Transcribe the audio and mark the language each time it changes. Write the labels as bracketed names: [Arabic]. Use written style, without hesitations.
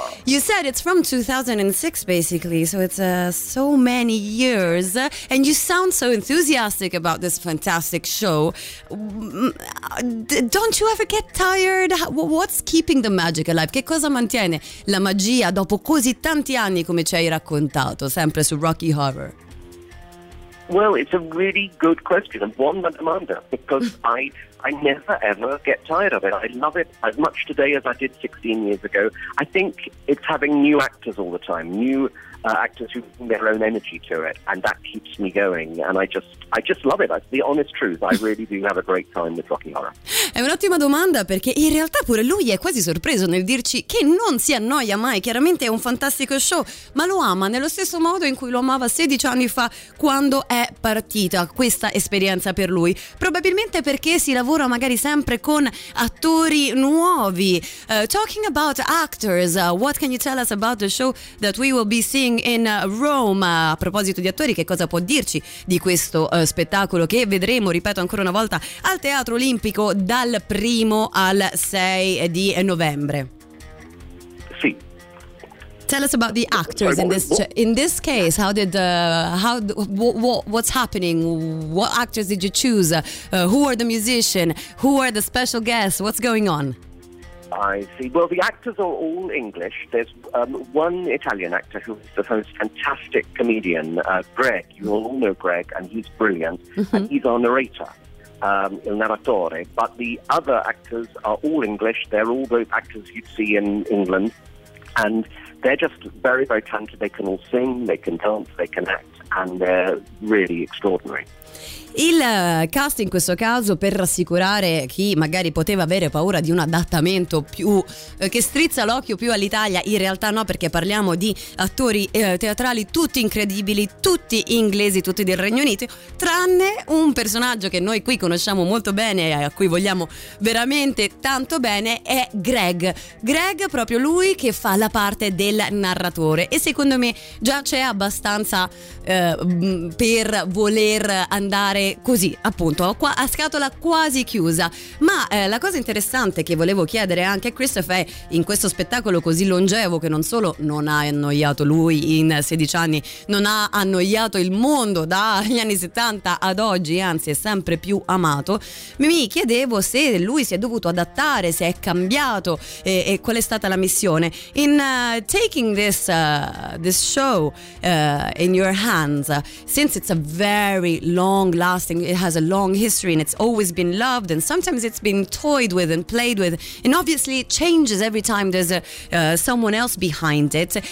[English] You said it's from 2006 basically, so it's so many years, and you sound so enthusiastic about this fantastic show. Don't you ever get tired? What's keeping the magic alive? [Italian] Che cosa mantiene la magia dopo così tanti anni, come ci hai raccontato sempre su Rocky Horror? [English] Well, it's a really good question, and one that Amanda, because I never ever get tired of it. I love it as much today as I did 16 years ago. I think it's having new actors all the time, new actors who bring their own energy to it, and that keeps me going, and I just love it. That's the honest truth. I really do have a great time with Rocky Horror. [Italian] È un'ottima domanda, perché in realtà pure lui è quasi sorpreso nel dirci che non si annoia mai. Chiaramente è un fantastico show, ma lo ama nello stesso modo in cui lo amava 16 anni fa, quando è partita questa esperienza per lui. Probabilmente perché si lavora magari sempre con attori nuovi. [English] Talking about actors, what can you tell us about the show that we will be seeing in Roma? [Italian] A proposito di attori, che cosa può dirci di questo spettacolo che vedremo, ripeto ancora una volta, al Teatro Olimpico dal 1 al 6 di novembre? Sì. [English] Tell us about the actors in this case. What's happening? What actors did you choose? Who are the musicians? Who are the special guests? What's going on? I see. Well, the actors are all English. There's one Italian actor who is the most fantastic comedian, Greg. You all know Greg, and he's brilliant. Mm-hmm. And he's our narrator. [Italian] Il narratore, [English] but the other actors are all English. They're all those actors you'd see in England, and they're just very, very talented. They can all sing, they can dance, they can act, and they're really extraordinary. [Italian] Il cast in questo caso, per rassicurare chi magari poteva avere paura di un adattamento più che strizza l'occhio più all'Italia, in realtà no, perché parliamo di attori teatrali tutti incredibili, tutti inglesi, tutti del Regno Unito, tranne un personaggio che noi qui conosciamo molto bene e a cui vogliamo veramente tanto bene, è Greg, proprio lui che fa la parte del narratore, e secondo me già c'è abbastanza per voler andare andare così, appunto, qua a scatola quasi chiusa. Ma la cosa interessante che volevo chiedere anche a Christophe è, in questo spettacolo così longevo, che non solo non ha annoiato lui in 16 anni, non ha annoiato il mondo dagli anni 70 ad oggi, anzi è sempre più amato, mi chiedevo se lui si è dovuto adattare, se è cambiato e qual è stata la missione. [English] In taking this this show in your hands, since it's a very long lasting, it has a long history and it's always been loved, and sometimes it's been toyed with and played with, and obviously it changes every time there's a someone else behind it.